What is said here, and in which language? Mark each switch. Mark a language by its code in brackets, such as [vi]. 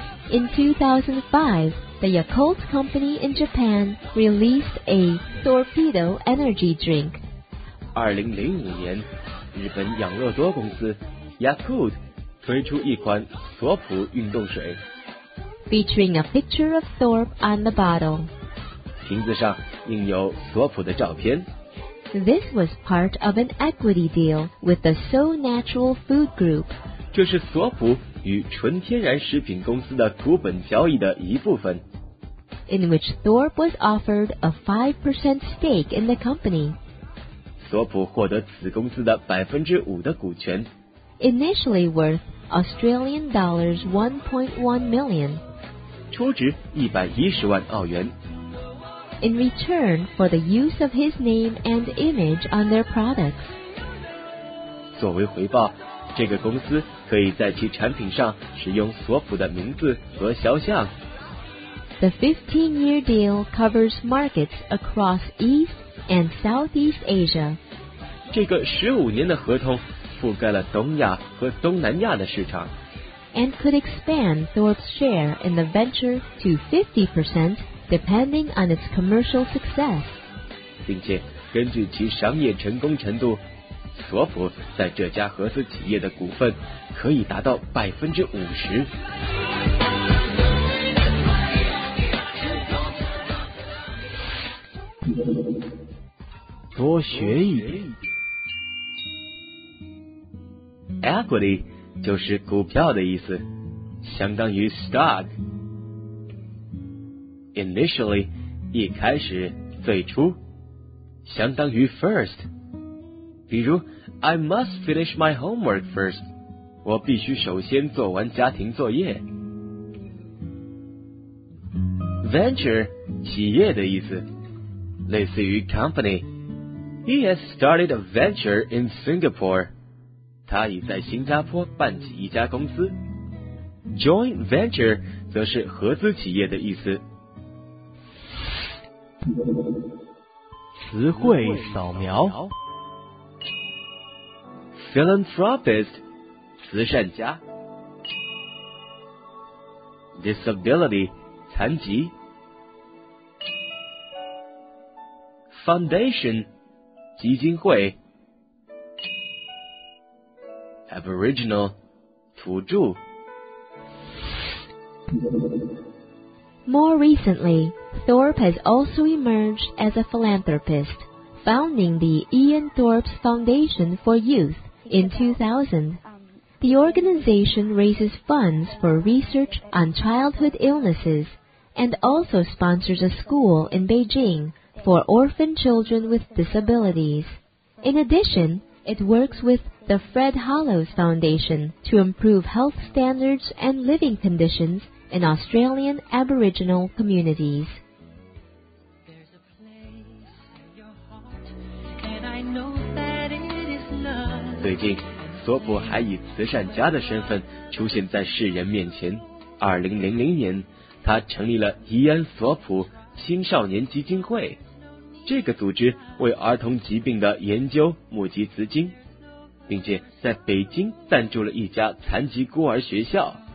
[en] In 2005, the Yakult company in Japan released a torpedo energy drink. [zh] 2005年，日本养乐多公司 Yakult 推出一款索普运动水。 [en] Featuring a picture of Thorpe on the bottle. [zh] 瓶子上印有索普的照片。 [en] This was part of an equity deal with the So Natural Food Group. [zh] 这是索普与纯天然食品公司的股本交易的一部分。 [en] In which Thorpe was offered a 5% stake in the company. [zh] 索普获得此公司的5%的股权。 [en] Initially worth Australian dollars 1.1 million. [zh] 出值110万澳元。 [en] In return for the use of his name and image on their products. [zh] 作为回报，这个公司可以在其产品上使用索普的名字和肖像。 [en] The 15-year deal covers markets across East and Southeast Asia. [zh] 这个15年的合同覆盖了东亚和东南亚的市场。 [en] And could expand Thorpe's share in the venture to 50% depending on its commercial success. [zh] 并且根据其商业成功程度，索普在这家合资企业的股份可以达到50%。多学一点。 Equity 就是股票的意思，相当于 stock。 Initially 一开始，最初，相当于 first。比如 [en] ，I must finish my homework first。 [zh] 我必须首先做完家庭作业。 Venture 企业的意思，类似于 company。 [en] He has started a venture in Singapore。 [zh] 他已在新加坡办起一家公司。 [en] Joint venture [zh] 则是合资企业的意思。词汇扫描。 Philanthropist 慈善家。 Disability 残疾。 Foundation 基金会。 Aboriginal 土著。 [en] More recently, Thorpe has also emerged as a philanthropist, founding the Ian Thorpe Foundation for Youth in 2000. The organization raises funds for research on childhood illnesses and also sponsors a school in Beijing for orphan children with disabilities. In addition, it works with the Fred Hollows Foundation to improve health standards and living conditions in Australian Aboriginal communities. There's a place in your heart, and I know that it is love. [zh] 最近，索普还以慈善家的身份出现在世人面前。 2000年，他成立了伊恩·索普青少年基金会。这个组织为儿童疾病的研究募集资金，并且在北京赞助了一家残疾孤儿学校。